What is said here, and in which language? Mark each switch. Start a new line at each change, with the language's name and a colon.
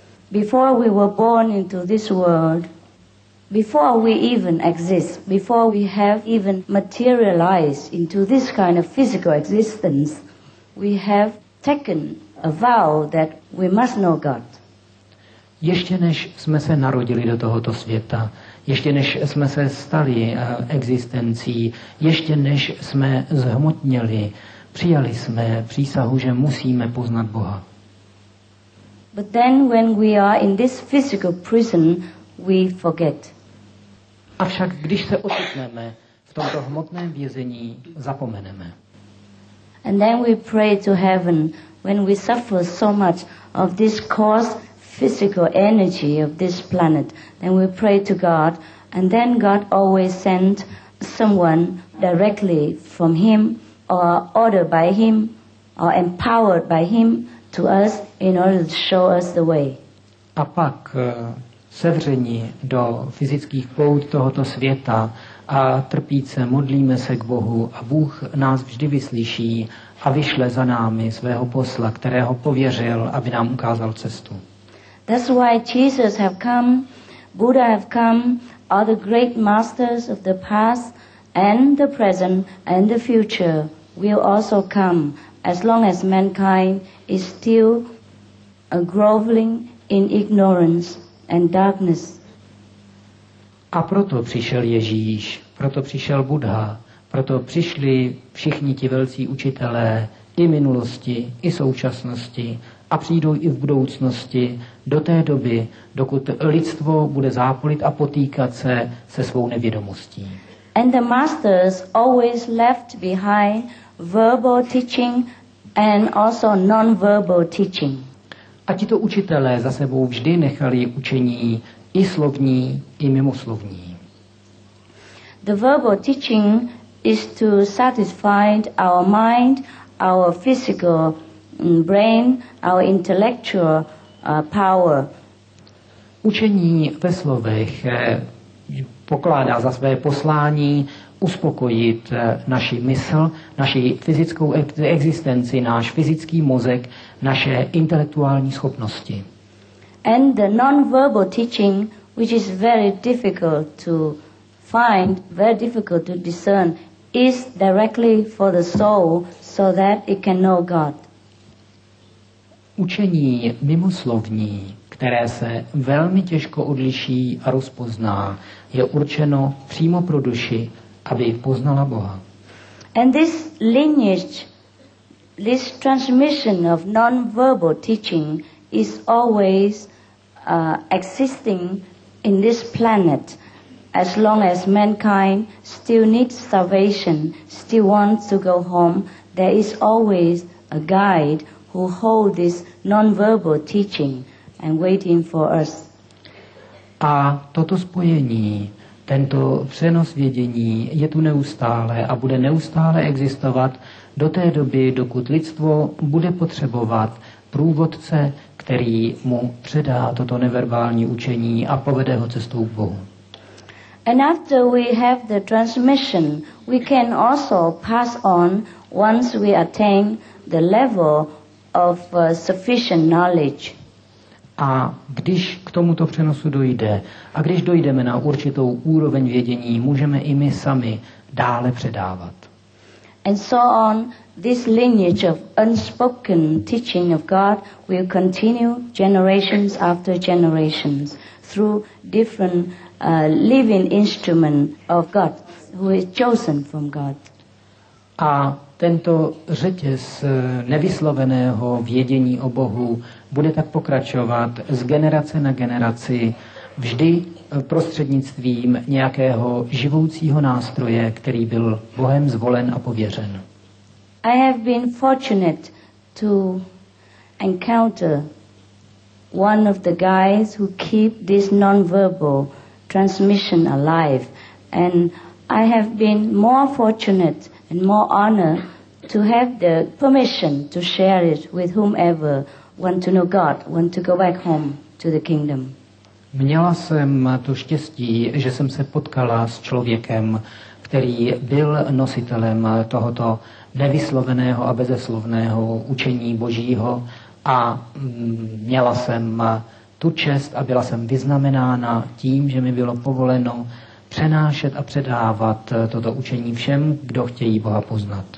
English: Before we were born into this world, before we even exist, before we have even materialized into this kind of physical existence, we have taken a vow that we must know God.
Czech: Ještě než jsme se narodili do tohoto světa, ještě než jsme se stali existencí, ještě než jsme zhmotněli, přijali jsme přísahu, že musíme poznat Boha.
English: But then when we are in this physical prison, we forget.
Czech: Avšak když se ocitneme v tomto hmotném vězení, zapomeneme.
English: And then we pray to heaven when we suffer so much of this coarse physical energy of this planet. Then we pray to God, and then God always sent someone directly from him or ordered by him or empowered by him to us in order to show us the way.
Czech: A pak sevření do fyzických pout tohoto světa a trpíce modlíme se k Bohu a Bůh nás vždy vyslyší a vyšle za námi svého posla, kterého pověřil, aby nám ukázal cestu.
English: That's why Jesus have come, Buddha have come, all the great masters of the past and the present and the future will also come as long as mankind is still groveling in ignorance and darkness.
Czech: A proto přišel Ježíš, proto přišel Buddha, proto přišli všichni ti velcí učitelé i minulosti, i současnosti a přijdou i v budoucnosti do té doby, dokud lidstvo bude zápolit a potýkat se svou nevědomostí.
English: And the masters always left behind verbal teaching and also non-verbal teaching.
Czech: A tito učitelé za sebou vždy nechali učení i slovní, i mimoslovní.
English: The verbal teaching is to satisfy our mind, our physical brain, our intellectual power.
Czech: Učení ve slovech pokládá za své poslání uspokojit naši mysl, naši fyzickou existenci, náš fyzický mozek, naše intelektuální schopnosti.
English: And the non-verbal teaching, which is very difficult to find, very difficult to discern, is directly for the soul so that it can know God.
Czech: Učení mimoslovní, které se velmi těžko odliší a rozpozná, je určeno přímo pro duši, aby poznala Boha.
English: And this lineage, this transmission of non-verbal teaching is always existing in this planet as long as mankind still needs salvation, still wants to go home, there is always a guide who hold this non-verbal teaching and waiting for us.
Czech: A toto spojení, tento přenos vědění je tu neustále a bude neustále existovat do té doby, dokud lidstvo bude potřebovat průvodce, který mu předá toto neverbální učení a povede ho cestou k Bohu.
English: And after we have the transmission, we can also pass on once we attain the level of sufficient knowledge.
Czech: A když k tomuto přenosu dojde, a když dojdeme na určitou úroveň vědění, můžeme i my sami dále předávat.
English: And so on, this lineage of unspoken teaching of God will continue generations after generations through different living instrument of God who is chosen from God.
Czech: A tento řetěz nevysloveného vědění o Bohu bude tak pokračovat z generace na generaci, vždy prostřednictvím nějakého živoucího nástroje, který byl Bohem zvolen a pověřen.
English: I have been fortunate to encounter one of the guys who keep this non-verbal transmission alive, and I have been more fortunate and more honored to have the permission to share it with whomever want to know God, want to go back home to the kingdom.
Czech: Měla jsem to štěstí, že jsem se potkala s člověkem, který byl nositelem tohoto nevysloveného a bezeslovného učení Božího, a měla jsem tu čest a byla jsem vyznamenána tím, že mi bylo povoleno přenášet a předávat toto učení všem, kdo chtějí Boha poznat.